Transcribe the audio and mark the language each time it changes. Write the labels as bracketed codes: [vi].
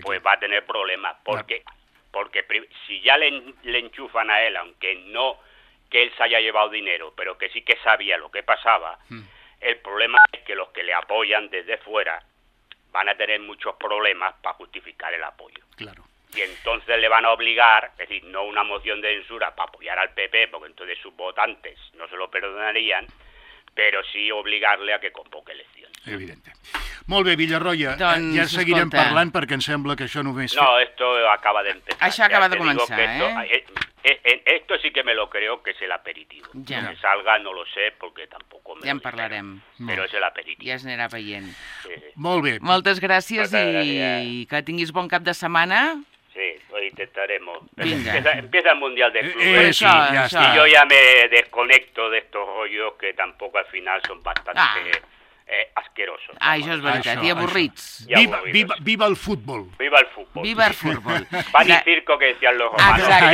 [es] Pues va a tener problemas. Porque si ya le enchufan a él, aunque no que él se haya llevado dinero, pero que sí que sabía lo que pasaba, el problema es que los que le apoyan desde fuera van a tener muchos problemas para justificar el apoyo. Claro. Y entonces le van a obligar, es decir, no una moción de censura para apoyar al PP, porque entonces sus votantes no se lo perdonarían, pero sí obligarle a que convoque elecciones. [ca] Evidente. Molt bé, Villarroya, doncs, ja seguirem parlant perquè em sembla que això només... [es] No, esto acaba d'empezar. [ca] Això acaba de començar, [es] esto, esto sí que me lo creo que es el aperitivo. [ca] Ja. [es] Que salga no lo sé, porque tampoco me [ca] ja en parlarem. Però és el aperitivo. Ja es anirà veient. Sí. Molt bé. Moltes gràcies i que tinguis bon cap de setmana. [es] Sí, lo intentaremos. Venga. Empieza el Mundial de Club. Sí, ya está. Y yo ya me desconecto de estos rollos que tampoco al final son bastante asquerosos. Ah, eso es verdad. Y aburridos. Viva el fútbol. Viva el fútbol. Van y circo que decían los romanos.